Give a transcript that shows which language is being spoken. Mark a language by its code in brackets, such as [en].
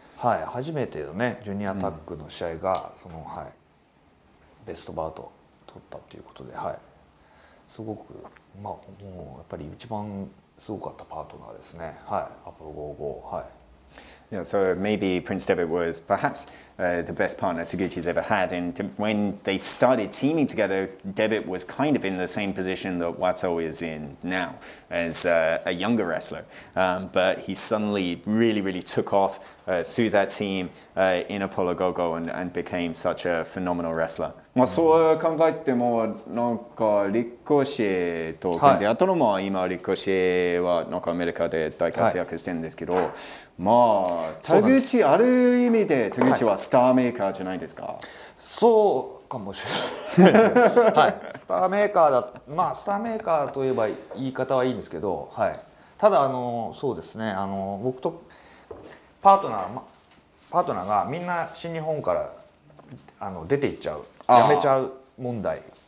[ja] はい、はい、初めてのねジュニアタッグの試合が、うん、その、はい、ベストバウトを取ったっていうことで、はい、すごく、まあ、もうやっぱり一番すごかったパートナーですね、はい、アポロ55、はい、 [en] Yeah, so maybe Prince Devitt was perhaps the best partner Taguchi's ever had. And when they started teaming together, Devitt was kind of in the same position that Wato is in now as a younger wrestler. But he suddenly really, really took off through that team in Apollo Gogo and became such a phenomenal wrestler. [ja] まあ、そう考えてもなんかリコシェと組んで、はい、あとのも今リコシェはなんかアメリカで大活躍してるんですけど、はい、まあ田口ある意味で田口はスターメーカーじゃないですか、はい、そうかもしれない、はい、スターメーカーだ、まあスターメーカーといえば言い方はいいんですけど、はい、ただそうですね、僕とパートナーがみんな新日本から出ていっちゃう、やめちゃう問題